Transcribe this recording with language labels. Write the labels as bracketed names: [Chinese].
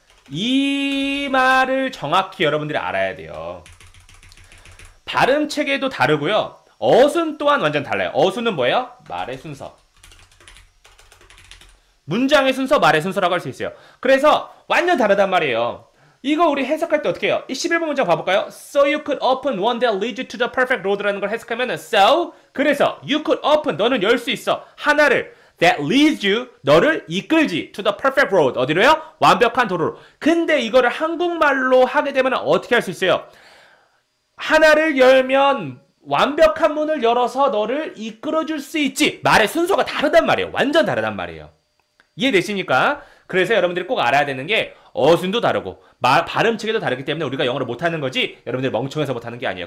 [Korean] 이 말을 정확히 여러분들이 알아야 돼요. 발음 체계도 다르고요. 어순 또한 완전 달라요. 어순은 뭐예요? 말의 순서. 문장의 순서, 말의 순서라고 할 수 있어요. 그래서 완전 다르단 말이에요. 이거 우리 해석할 때 어떻게 해요? 11번 문장 봐볼까요? [English] So you could open one that leads you to the perfect road [Korean] 라는 걸 해석하면 [English] So, [Korean] 그래서 [English] you could open, [Korean] 너는 열 수 있어 하나를 [English] that leads you, [Korean] 너를 이끌지 [English] to the perfect road, [Korean] 어디로요? 완벽한 도로로. 근데 이거를 한국말로 하게 되면 어떻게 할 수 있어요? 하나를 열면 완벽한 문을 열어서 너를 이끌어줄 수 있지. 말의 순서가 다르단 말이에요. 완전 다르단 말이에요. 이해되십니까? 그래서 여러분들이 꼭 알아야 되는 게 어순도 다르고 발음 체계도 다르기 때문에 우리가 영어를 못하는 거지 여러분들이 멍청해서 못하는 게 아니에요.